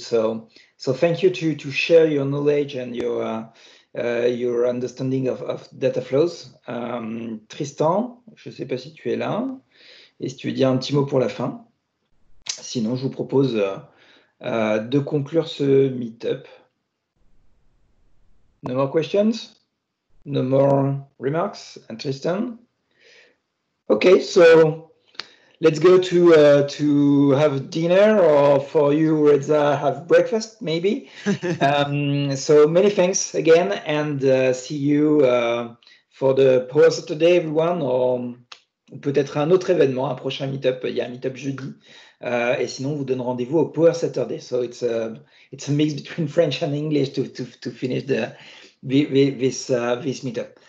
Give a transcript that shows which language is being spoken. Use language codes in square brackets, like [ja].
[en] So thank you to share your knowledge and your understanding of data flows. [fr] Tristan, je ne sais pas si tu es là, et si tu veux dire un petit mot pour la fin. Sinon, je vous propose de conclure ce meet-up. [en] No more questions? No more remarks? And Tristan? Okay, so let's go to have dinner, or for you, Reza, have breakfast, maybe. So many thanks again, and see you for the pause today, everyone, or [fr] peut-être un autre événement, un prochain meet-up. Il y a un meet-up jeudi. Et sinon, on vous donne rendez-vous au Power Saturday. [en] So it's a mix between French and English to finish this meetup.